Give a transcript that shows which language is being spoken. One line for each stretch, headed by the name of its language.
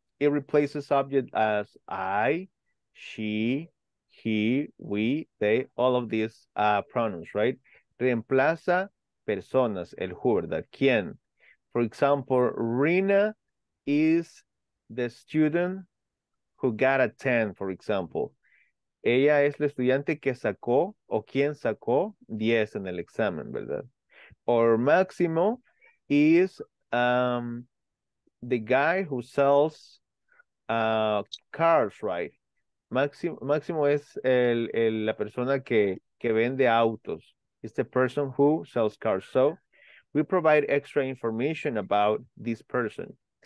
English: It replaces object as I, she, he, we, they, all of these pronouns, right?
Spanish: Reemplaza personas, el who, ¿verdad? ¿Quién?
English: For example, Rina is the student who got a 10, for example.
Spanish: Ella es la estudiante que sacó o quien sacó 10 en el examen, ¿verdad?
English: Or Máximo is the guy who sells cars, right?
Spanish: Máximo es la persona que vende autos.
English: It's the person who sells cars. So we provide extra information about this person.